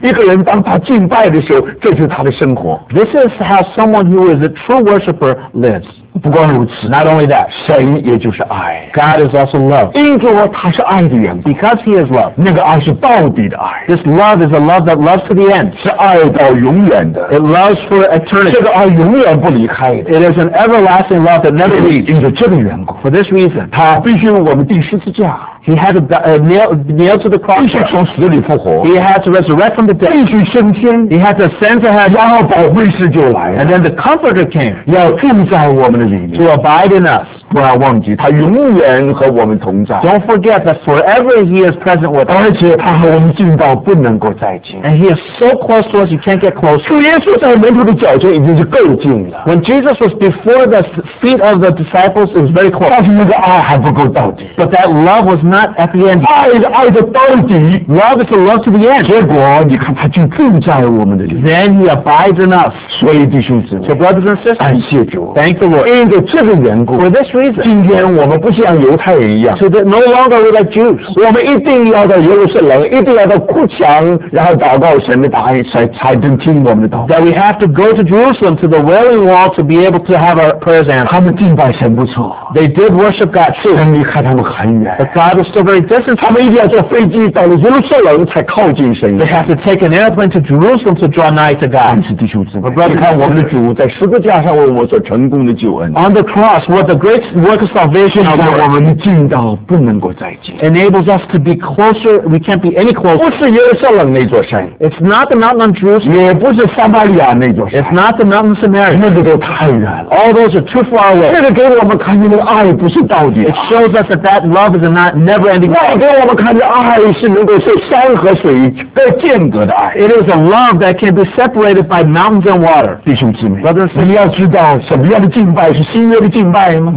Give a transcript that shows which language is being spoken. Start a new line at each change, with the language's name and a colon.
Chinese: 一个人当他敬拜的时候，这就是他的生活。
English: This is how someone who is a true worshiper lives.
Chinese: 不光如此
English: ，Not only that，
Chinese: 神也就是爱。
English: God is also love。
Chinese: 因着他是爱的缘故
English: ，Because he is love，
Chinese: 那个爱是到底的爱。
English: This love is a love that loves to the end，
Chinese: 是爱到永远的。
English: It loves for eternity。
Chinese: 这个爱永远不离开的。
English: It is an everlasting love that never leaves。
Chinese: 因着这个缘故
English: ，For this reason，
Chinese: 他必须我们钉十字架。
English: He had to nail to the cross.
Chinese: 必须从死里复活。
English: He had to resurrect from the dead.
Chinese: 必须升天。
English: He had to ascend to heaven.
Chinese: 然后保惠师就来了。
English: And then the Comforter came.
Chinese: 要住在我们的里面。
English: To abide in us.
Chinese: 不要忘记，他永远和我们同在。
English: Don't forget that forever he is present with us.
Chinese: 而且他和我们近到不能够再近。
English: And he is so close to us, you can't get closer.
Chinese: 主耶稣在门徒的脚前已经是够近了。
English: When Jesus was before the feet of the disciples, it was very close.
Chinese: 但是那个爱还不够到底。
English: But that love was not at the end.
Chinese: 爱的到底。
English: Love is the love to the end.
Chinese: 结果你看他就住在我们的里面。
English: Then he abides in us.
Chinese: 所以弟兄姊妹。
English: So brothers and sisters.
Chinese: 感谢主。
English: Thank the Lord.
Chinese: 因着这个缘故。
English: For this reason.
Chinese: 今天我们不像犹太人一样。
English: So that no longer we're like Jews.
Chinese: 我们一定要到耶路撒冷，一定要到哭墙，然后祷告神的答应，才能听我们的祷告。
English: That we have to go to Jerusalem to the wailing wall to be able to have our prayers answered.
Chinese: 他们敬拜神不错。
English: They did worship God too.
Chinese: 神离开他们很远。
English: But God was still very distant.
Chinese: 他们一定要坐飞机到了耶路撒冷才靠近神。
English: They have to take an airplane to Jerusalem to draw nigh to God.
Chinese: 但是弟兄姊妹，你看我们的主在十字架上为我们所成功的救恩。
English: On the cross, what the great this work of salvation
Chinese: 让我们进到不能够再进
English: enables us to be closer, we can't be any closer
Chinese: 不是耶路撒冷那座山
English: it's not the mountain on Jerusalem
Chinese: 也不是撒玛利亚那座山
English: it's not the mountain of Samaria
Chinese: 那个都太远了
English: all those are too far away
Chinese: 那个给我们看见的爱不是到底
English: it shows us that that love is a not, never ending
Chinese: 那给我们看见的爱是能够是山和水被间隔的爱
English: it is a love that can be separated by mountains and water
Chinese: 弟兄姊妹你要知道什么样的敬拜是新约的敬拜吗